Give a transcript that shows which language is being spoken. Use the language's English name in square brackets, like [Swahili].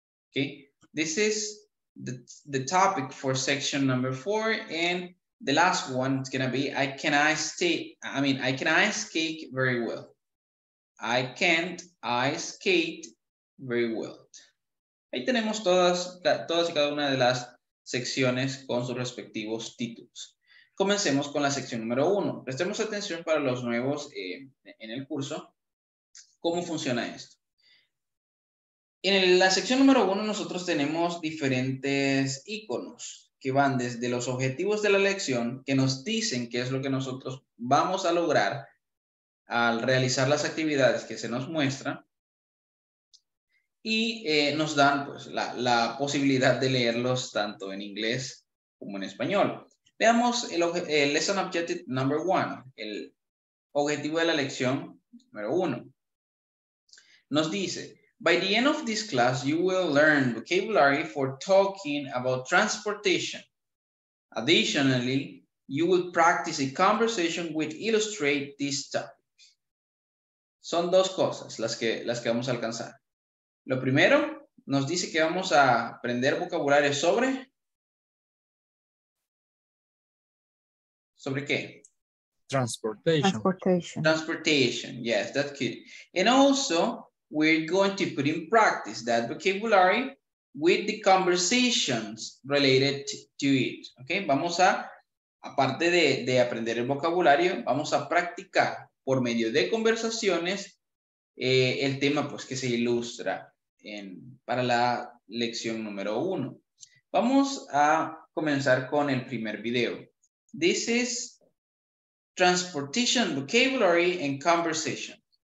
[English] Okay, this is the topic for section number 4, and the last one is going to be, I can ice skate very well. I can't ice skate very well. [Spanish] Ahí tenemos todas y cada una de las secciones con sus respectivos títulos. Comencemos con la sección número 1. Prestemos atención para los nuevos en el curso. ¿Cómo funciona esto? En la sección número 1 nosotros tenemos diferentes iconos que van desde los objetivos de la lección, que nos dicen qué es lo que nosotros vamos a lograr al realizar las actividades que se nos muestran, y nos dan pues, la posibilidad de leerlos tanto en inglés como en español. Veamos el lesson objective number 1, el objetivo de la lección número 1. Nos dice, [English] by the end of this class, you will learn vocabulary for talking about transportation. Additionally, you will practice a conversation with illustrate this topic. [Spanish] Son dos cosas las que vamos a alcanzar. Lo primero, nos dice que vamos a aprender vocabulario sobre. ¿Sobre qué? [English] Transportation, yes, that's good. And also, we're going to put in practice that vocabulary with the conversations related to it. [Spanish] Okay, vamos a, aparte de aprender el vocabulario, vamos a practicar por medio de conversaciones el tema pues, que se ilustra para la lección número 1. Vamos a comenzar con el primer video. [English] This is transportation vocabulary and conversation.